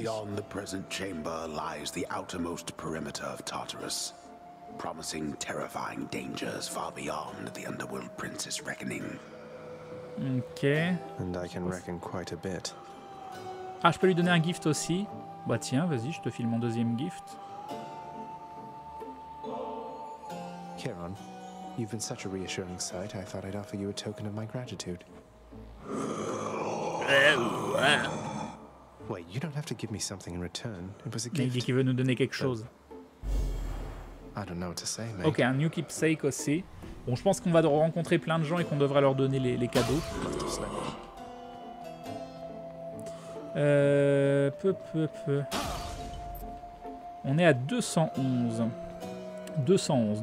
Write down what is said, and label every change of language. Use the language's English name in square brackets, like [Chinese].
[English] Beyond the present chamber lies the outermost perimeter of Tartarus. Promising terrifying dangers far beyond the underworld prince's reckoning. [French] Ok. [English] And I can reckon quite a bit. [French] Ah, je peux lui donner un gift aussi. Bah tiens, vas-y, je te file mon deuxième gift. [English] Charon, you've been such a reassuring sight, I thought I'd offer you a token of my gratitude. Wait, you don't have to give me something in return. It was a gift. [French] Il dit qu'il veut nous donner quelque chose. [English] I don't know what to say, mate. [French] Ok, un new keepsake aussi. Bon, je pense qu'on va rencontrer plein de gens et qu'on devra leur donner les cadeaux. Peu. On est à 211. 211.